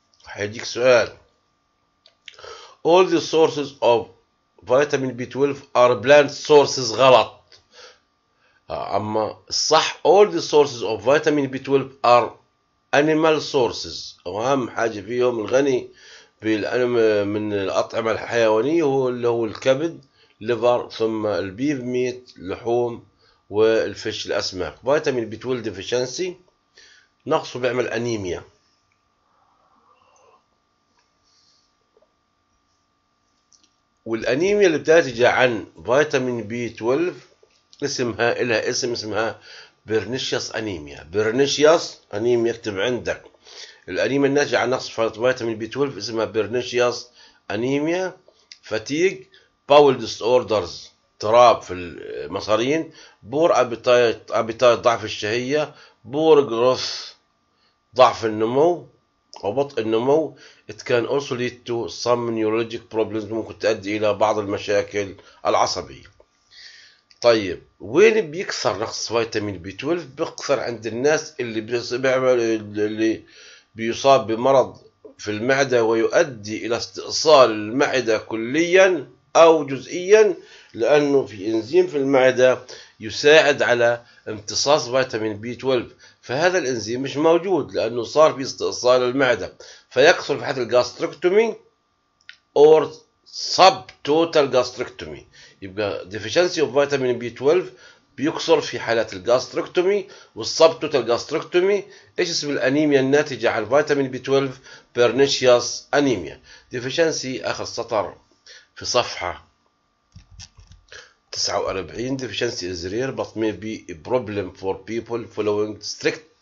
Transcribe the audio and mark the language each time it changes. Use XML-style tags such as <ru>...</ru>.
<ar>حيجيك سؤال،</ar> <en>all the sources of vitamin B12 are plant sources،</en> <ar>غلط. اما الصح</ar> <en>all the sources of vitamin B12 are animal sources،</en> <ar>واهم حاجة فيهم الغني من الأطعمة الحيوانية هو اللي هو الكبد، ليفر، ثم البيف ميت، لحوم، والفش، الأسماك.</ar> <en>vitamin B12 deficiency</en> <ar>نقصه بيعمل أنيميا. والانيميا اللي بتنتج عن فيتامين بي 12 اسمها، لها اسم اسمها برنيشيوس انيميا. برنيشيوس انيميا، اكتب عندك. الانيميا الناتجه عن نقص فيتامين بي 12 اسمها برنيشيوس انيميا. فتيج، باول ديس اوردرز، اضطراب في المصارين، بور ابيتايت، ضعف الشهيه، بور جروث، ضعف النمو او بطء النمو.</ar> <en>It can also lead to some neurologic problems،</en> <ar>ممكن تؤدي الى بعض المشاكل العصبيه. طيب وين بيكثر نقص فيتامين بي 12؟ بيكثر عند الناس اللي بيعمل اللي بيصاب بمرض في المعده ويؤدي الى استئصال المعده كليا او جزئيا، لانه في انزيم في المعده يساعد على امتصاص فيتامين بي 12، فهذا الانزيم مش موجود لانه صار في استئصال المعده، فيكثر في حاله الجاستركتومي اور سب توتال جاستركتومي. يبقى ديفيشنسي اوف فيتامين بي 12 بيكثر في حالات الجاستركتومي والسب توتال جاستركتومي. ايش اسم الانيميا الناتجه عن فيتامين بي 12؟ بيرنيشيوس انيميا. ديفيشنسي اخر سطر في صفحه 49.</ar> <en>deficiency is rare but may be a problem for people following strict</en>